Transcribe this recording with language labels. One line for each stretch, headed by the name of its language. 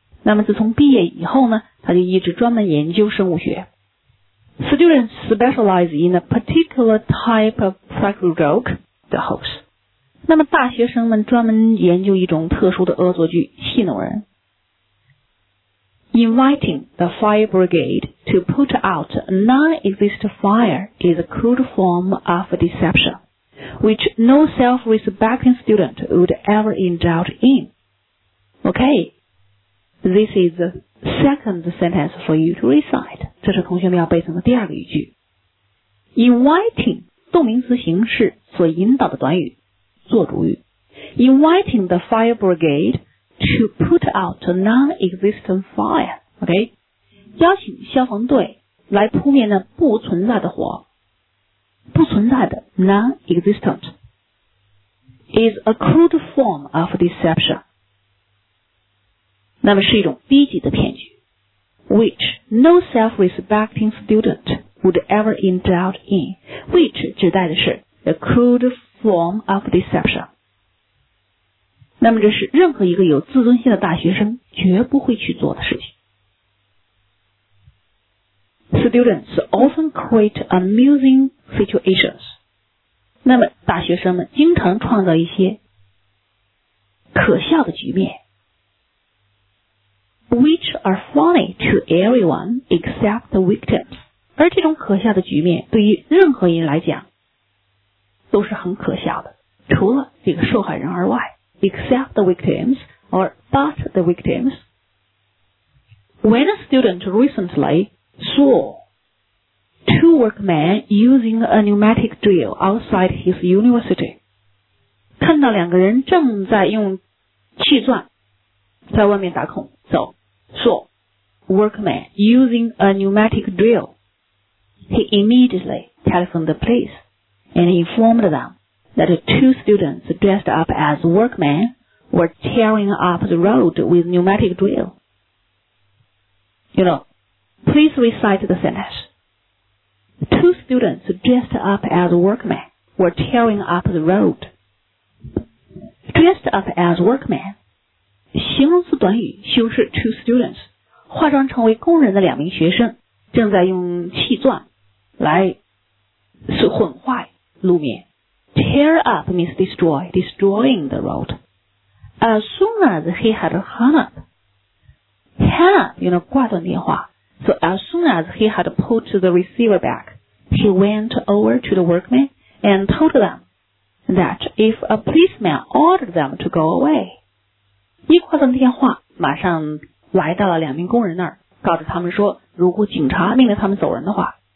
Chinese: 那么自从毕业以后呢，他就一直专门研究生物学。
English: Students specialize in a particular type of practical joke, the hoax.
Chinese: 那么大学生们专门研究一种特殊的恶作剧，戏弄人。
English: Inviting the fire brigade to put out a non-existent fire is a crude form of deception, which no self-respecting student would ever indulge in. Okay, this is the second sentence for you to recite.
Chinese: 这是同学们要背诵的第二个语句。 Inviting, 动名词形式所引导的短语，做主语。
English: Inviting the fire brigade,to put out a non-existent fire.
Chinese: OK， 邀请消防队来扑灭那不存在的火，不存在的 non-existent
English: is a crude form of deception，
Chinese: 那么是一种低级的骗局，
English: which no self-respecting student would ever indulge in，
Chinese: which 指代的是
English: the crude form of deception，
Chinese: 那么这是任何一个有自尊心的大学生绝不会去做的事情。
English: Students often create amusing situations.
Chinese: 那么大学生们经常创造一些可笑的局面，
English: which are funny to everyone except the victims.
Chinese: 而这种可笑的局面对于任何人来讲都是很可笑的，除了这个受害人而外，
English: except the victims or but the victims. When a student recently saw two workmen using a pneumatic drill outside his university.
Chinese: 看到两个人正在用气钻在外面打孔走。
English: Saw workmen using a pneumatic drill. He immediately telephoned the police and informed them that two students dressed up as workmen were tearing up the road with pneumatic drill. You know,Please recite the sentence. Two students dressed up as workmen were tearing up the road. Dressed up as workmen.
Chinese: 形容词短语修饰
English: two students.
Chinese: 化妆成为工人的两名学生正在用气钻来损坏路面。
English: Tear up means destroy, destroying the road. As soon as he had hung up, Hannah, you know,
Chinese: 挂断电话。
English: So as soon as he had put the receiver back, he went over to the workmen and told them that if a policeman ordered them to go away,
Chinese: 一挂断电话，马上来到了两名工人那儿，告诉他们说，如果警察命令他们走人的话，